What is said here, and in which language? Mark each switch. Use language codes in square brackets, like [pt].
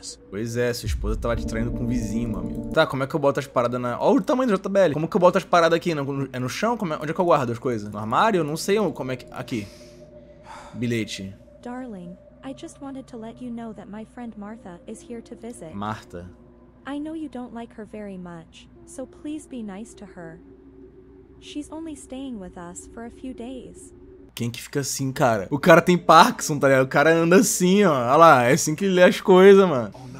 [pt] Pois é, sua esposa tava te traindo com um vizinho, meu amigo. Tá, como é que eu boto as paradas na. Olha o tamanho do JBL. Como que eu boto as paradas aqui? É no chão? Como é... Onde é que eu guardo as coisas? No armário? Eu não sei como é que. Aqui. Bilhete. [en] Darling, I just wanted to let you know that my friend Martha is here to visit. [pt] Marta. [en] I know you don't like her very much, so please be nice to her. She's only staying with us for a few days. [pt] Quem que fica assim, cara? O cara tem Parkinson, tá ligado? O cara anda assim, ó. Olha lá, é assim que ele lê as coisas, mano.